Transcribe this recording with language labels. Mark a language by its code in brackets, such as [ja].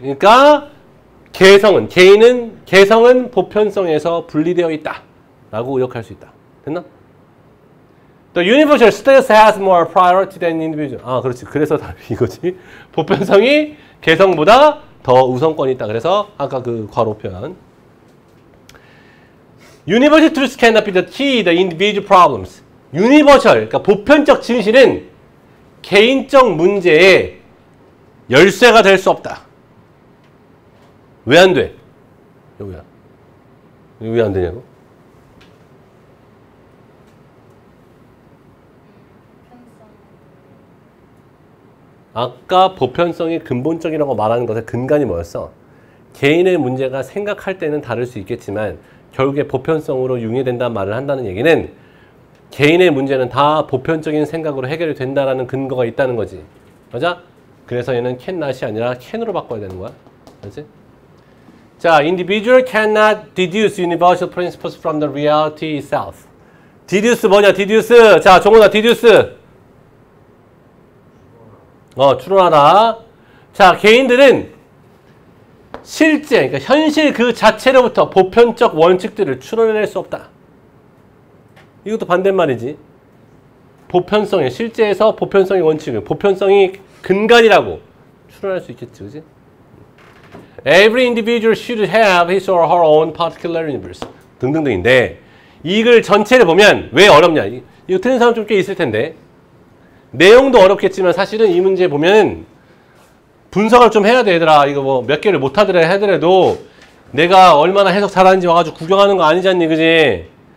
[ko] 그러니까 개성은, 개인은 개성은 보편성에서 분리되어 있다 라고 의역할 수 있다. 됐나? [en] The universal state has more priority than individual. [ko] 아, 그렇지. 그래서 답이 이거지. 보편성이 개성보다 더 우선권이 있다. 그래서 아까 그 괄호 표현. [en] Universal truths cannot be the key to individual problems. [ko] Universal, 그러니까 보편적 진실은 개인적 문제의 열쇠가 될 수 없다. 왜 안 돼? 여기야. 왜 안 되냐고? 아까 보편성이 근본적이라고 말하는 것의 근간이 뭐였어? 개인의 문제가 생각할 때는 다를 수 있겠지만 결국에 보편성으로 융해된다는 말을 한다는 얘기는 개인의 문제는 다 보편적인 생각으로 해결이 된다라는 근거가 있다는 거지. 맞아? 그래서 얘는 cannot이 아니라 can으로 바꿔야 되는 거야. 알지? [en] 자, individual cannot deduce universal principles from the reality itself. [ko] deduce 뭐냐? deduce. 자, 종훈아, deduce. 추론하다. 자, 개인들은 실제, 그러니까 현실 그 자체로부터 보편적 원칙들을 추론해낼 수 없다. 이것도 반대말이지. 보편성의, 실제에서 보편성의 원칙을, 보편성이 근간이라고 추론할 수 있겠지, 그지? [en] Every individual should have his or her own particular universe. [ko] 등등등인데, 이걸 전체를 보면 왜 어렵냐. 이거 틀린 사람 좀 꽤 있을 텐데. 내용도 어렵겠지만 사실은 이 문제 보면 분석을 좀 해야 돼, 얘들아. 이거 뭐 몇 개를 못하더라 하더라도 내가 얼마나 해석 잘하는지 와가지고 구경하는 거 아니잖니, 그지?